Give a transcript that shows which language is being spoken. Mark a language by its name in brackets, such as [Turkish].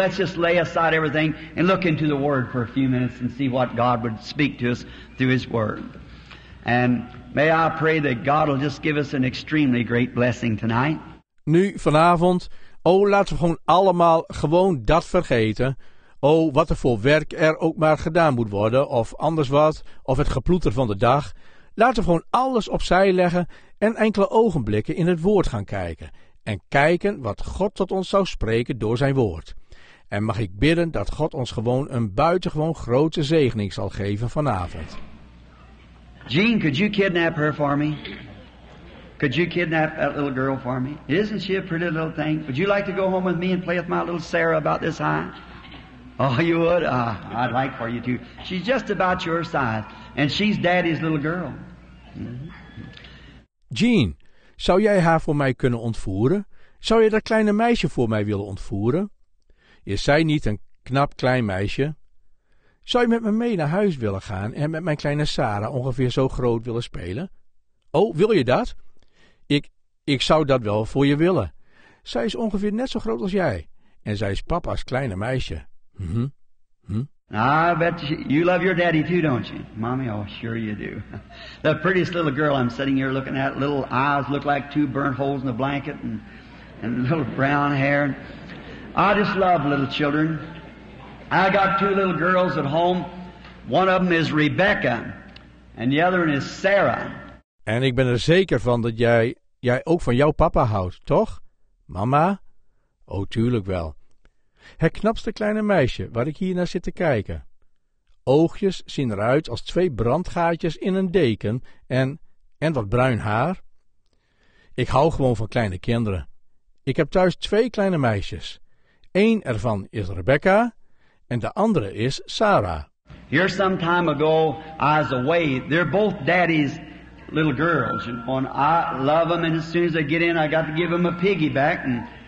[English] Let's just lay aside everything and look into the Word for a few minutes and see what God would speak to us through His Word. And may I pray that God will just give us an extremely great blessing tonight. [Dutch] Nu vanavond, laten we gewoon allemaal gewoon dat vergeten. Wat er voor werk er ook maar gedaan moet worden, of anders wat, of het geploeter van de dag. Laten we gewoon alles opzij leggen en enkele ogenblikken in het woord gaan kijken. En kijken wat God tot ons zou spreken door zijn woord. En mag ik bidden dat God ons gewoon een buitengewoon grote zegening zal geven vanavond. [English] Jean, could you kidnap her for me? Could you kidnap that little girl for me? Isn't she a pretty little thing? Would you like to go home with me and play with my little Sarah about this high? Oh, you would? I'd like for you to. She's just about your size. And she's daddy's little girl. Mm-hmm. [Dutch] Jean, zou jij haar voor mij kunnen ontvoeren? Zou je dat kleine meisje voor mij willen ontvoeren? Is zij niet een knap klein meisje? Zou je met me mee naar huis willen gaan en met mijn kleine Sarah ongeveer zo groot willen spelen? Wil je dat? Ik zou dat wel voor je willen. Zij is ongeveer net zo groot als jij. En zij is papa's kleine meisje. [English] I bet you love your daddy too, don't you? Mommy, oh, sure you do. The prettiest little girl I'm sitting here looking at, little eyes look like two burnt holes in a blanket and little brown hair. I just love little children. I got two little girls at home. One of them is Rebecca and the other one is Sarah. [Dutch] En ik ben er zeker van dat jij ook van jouw papa houdt, toch? Mama? Tuurlijk wel. Het knapste kleine meisje waar ik hier naar zit te kijken. Oogjes zien eruit als twee brandgaatjes in een deken en wat bruin haar. Ik hou gewoon van kleine kinderen. Ik heb thuis twee kleine meisjes. Eén ervan is Rebecca en de andere is Sarah. [English] Here some time ago, I was away. They're both daddy's little girls. And I love them, and as soon as they get in, I got to give them a piggyback.